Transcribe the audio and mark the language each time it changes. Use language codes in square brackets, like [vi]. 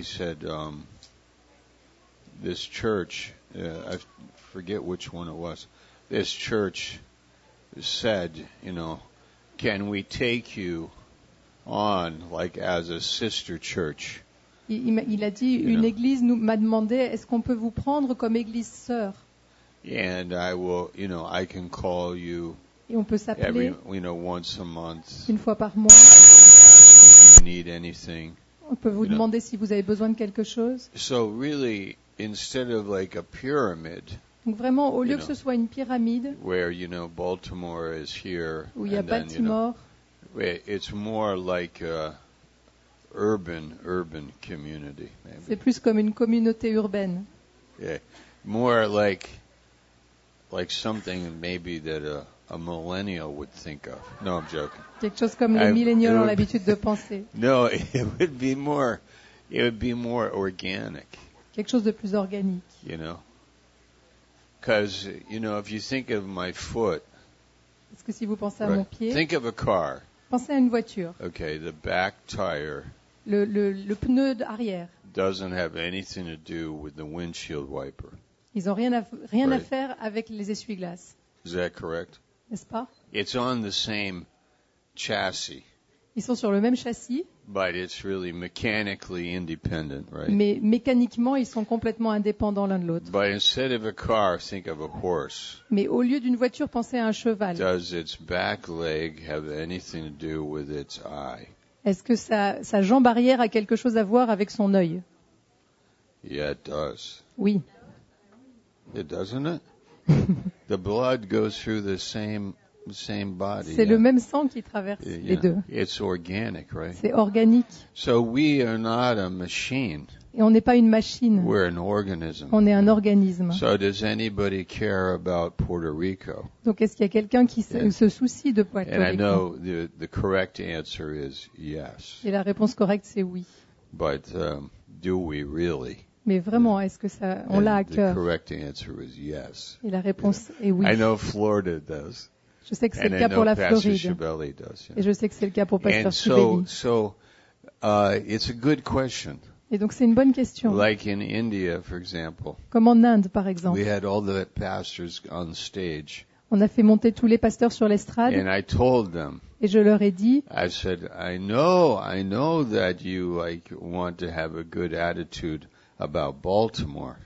[en] He said, this church, I forget which one it was. This church said, you know, can we take you on like as a sister church? [fr] Il a dit, [en] you [fr] une know? Église nous m'a demandé, est-ce qu'on peut vous prendre comme église sœur? [en] And I will, you know, I can call you. [fr] Et on peut s'appeler. [en] Every, you know, once a month. [fr] Une fois par mois. [en] If you need anything. [fr] On peut vous demander si vous avez besoin de quelque chose. [en] So really, instead of like a pyramid. [fr] Donc vraiment, au lieu que ce soit une pyramide, [en] where, you know, Baltimore is here, [fr] où il y a Baltimore, [en] then, you know, it's more like a urban community, maybe. [fr] C'est plus comme une communauté urbaine. [en] Yeah. More like something maybe that a millennial would think of. No, I'm joking. [fr] Quelque chose comme les milléniaux ont l'habitude de penser. [en] No, it would be more organic. [fr] Quelque chose de plus organique. [en] You know? Because, you know, if you think of my foot, [fr] est-ce que si vous pensez à mon pied, [en] think of a car. [fr] Pensez à une voiture. [en] Okay, the back tire. [fr] Le pneu arrière. [en] Doesn't have anything to do with the windshield wiper. [fr] Ils ont rien à faire avec les essuie-glaces. [en] Is that correct? [fr] N'est-ce pas? [en] It's on the same chassis. [fr] Ils sont sur le même châssis. [en] But it's really mechanically independent, right? [fr] Mais mécaniquement, ils sont complètement indépendants l'un de l'autre. [en] But instead of a car, think of a horse. [fr] Mais au lieu d'une voiture, pensez à un cheval. [en] Does its back leg have anything to do with its eye? [fr] Est-ce que sa jambe arrière a quelque chose à voir avec son œil? [en] Yeah, it does. [fr] Oui. [en] It doesn't it? The blood goes through the same body. [fr] C'est le même sang qui traverse les deux. [en] It's organic, right? [fr] C'est organique. [en] So we are not a machine. [fr] Et on n'est pas une machine. [en] We're an organism. [fr] On est un organisme. [en] So does anybody care about Puerto Rico? [fr] Donc est-ce qu'il y a quelqu'un qui se soucie de Puerto Rico? [en] And I know the correct answer is yes. [fr] Et la réponse correcte c'est oui. [en] But do we really? [fr] Mais vraiment, est-ce que ça, on l'a à cœur? [en] The correct answer is yes. [fr] Et la réponse est oui. [en] I know Florida does. [fr] Je sais que c'est le cas pour la Floride. Et je sais que c'est le cas pour Pasteur Chevalier. [en] It's a good question. [fr] Et donc c'est une bonne question. [en] Like in India, for example. [fr] Comme en Inde, par exemple. [en] We had all the pastors on stage. [fr] On a fait monter tous les pasteurs sur l'estrade. [en] And I told them. [fr] Et je leur ai dit. [en] I said, I know that you like want to have a good attitude about Baltimore.